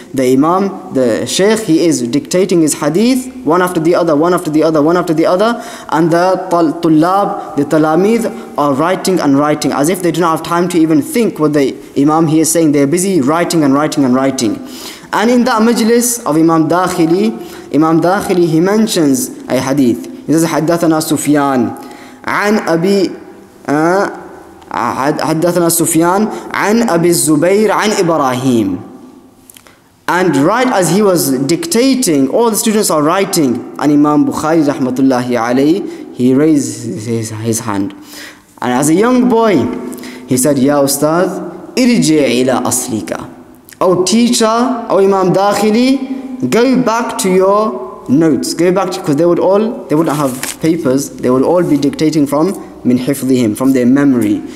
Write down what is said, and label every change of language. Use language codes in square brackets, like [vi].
[en] The imam, the sheikh, he is dictating his hadith, one after the other, one after the other, one after the other. And the tulab, the talamid, are writing and writing, as if they do not have time to even think what the imam he is saying. They are busy writing and writing and writing. And in that majlis of Imam Dakhili, he mentions a hadith. He says, [ar] حدثنا سفيان عن أبي حدثنا سفيان عن أبي الزبير عن إبراهيم. [en] And right as he was dictating, all the students are writing, and Imam Bukhari [ar] رحمة الله عليه, [en] he raised his hand. And as a young boy, he said, [ar] يا أستاذ ارجع إلى أصلك. [en] Oh teacher, oh Imam Dakhili, go back to your notes, go back, because they would not have papers, they would all be dictating from min hifdihim, from their memory.